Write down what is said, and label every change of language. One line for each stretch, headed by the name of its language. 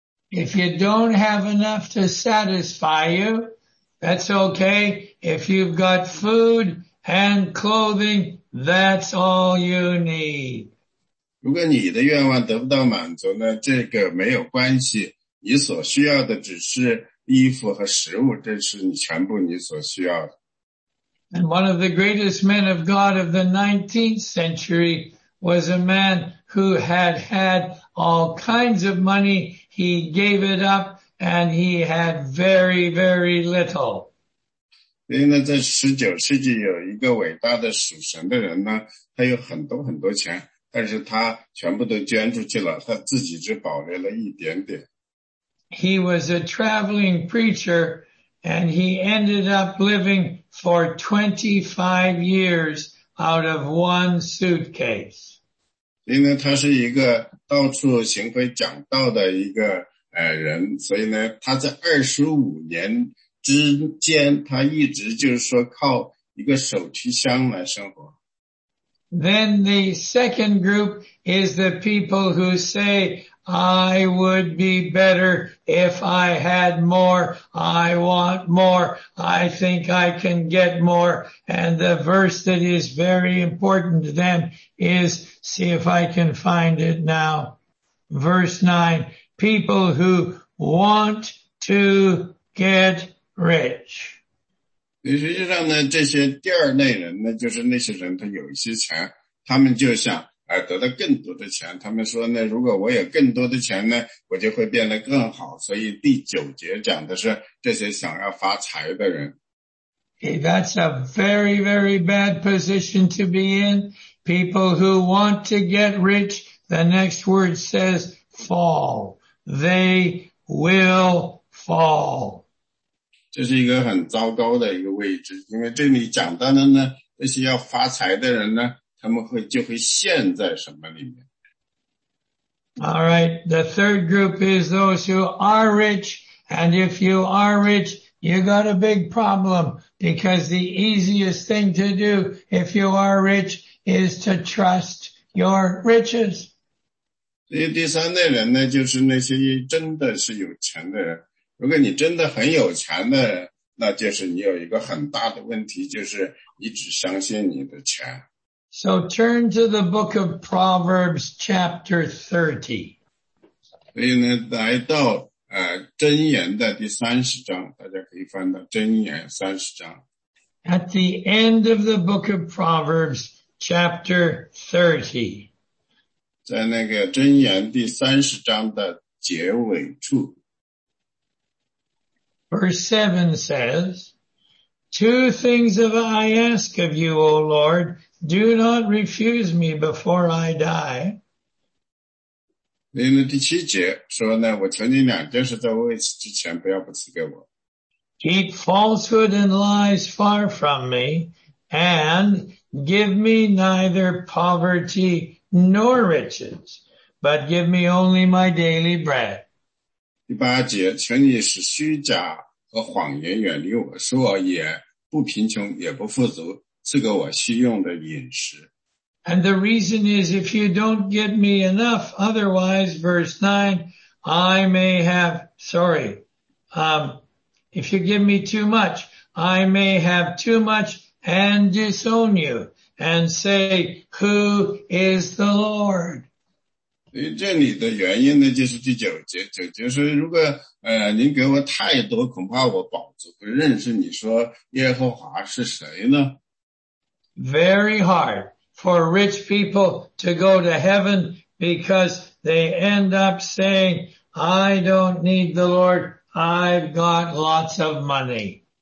English: If you don't have enough to satisfy you, that's okay. If you've got food and clothing,That's all you need.
Chinese: 如果你的愿望得不到满足呢，这个没有关系。你所需要的只是衣服和食物，这是你全部你所需要的。
English: And one of the greatest men of God of the 19th century was a man who had had all kinds of money. He gave it up and he had very, very little.
Chinese: 因为呢，在19世纪有一个伟大的使神的人呢，他有很多很多钱，但是他全部都捐出去了，他自己只保留了一点点。
English: He was a traveling preacher, and he ended up living for 25 years out of one suitcase.
Chinese: 因为他是一个到处行回讲道的一个人，所以呢，他在25年之间他一直就是说靠一个手提箱来生活。
English: Then the second group is the people who say, I would be better if I had more, I want more, I think I can get more. And the verse that is very important to them is, see if I can find it now, verse 9, people who want to get rich.
Chinese: 实际上呢，这些第二类人呢，就是那些人他有一些钱，他们就想得到更多的钱。他们说呢，如果我有更多的钱呢，我就会变得更好。所以第九节讲的是这些想要发财的人。
English: Okay, that's a very, very bad position to be in. People who want to get rich, the next word says fall. They will fall.
Chinese: 这是一个很糟糕的一个位置，因为这里讲到的呢，那些要发财的人呢，他们会就会陷在什么里面。
English: All right, the third group is those who are rich, and if you are rich,You got a big problem because the easiest thing to do if you are rich is to trust your riches.
Chinese: 第三类人呢，就是那些真的是有钱的人。如果你真的很有钱的人，那就是你有一个很大的问题，就是你只相信你的钱。
English: So turn to the book of Proverbs chapter 30.
Chinese: 所以呢，来到箴言的第三十章，大家可以翻到箴言三十章。
English: At the end of the book of Proverbs, chapter 30.
Chinese: 在那个箴言第三十章的结尾处。
English: Verse 7 says, Two things have I asked of you, O Lord, do not refuse me before I die.
Chinese: 因为第七节说呢，我求你两件事，在我未死之前不要不赐给我。
English: Keep falsehood and lies far from me, and give me neither poverty nor riches, but give me only my daily bread.
Chinese: 第八节，求你使虚假和谎言远离我，使我也不贫穷也不富足，赐给我需用的饮食。
English: And the reason is if you don't get me enough, otherwise, verse 9, I may have, sorry, if you give me too much, I may have too much and disown you and say, who is the Lord?
Chinese: 这里的原因呢，就是第九节，九节说如果您给我太多，恐怕我饱足，不认识你说耶和华是谁呢？
English: Very hard. For rich people to go to heaven because they end up saying, I don't need the Lord, I've got lots of money.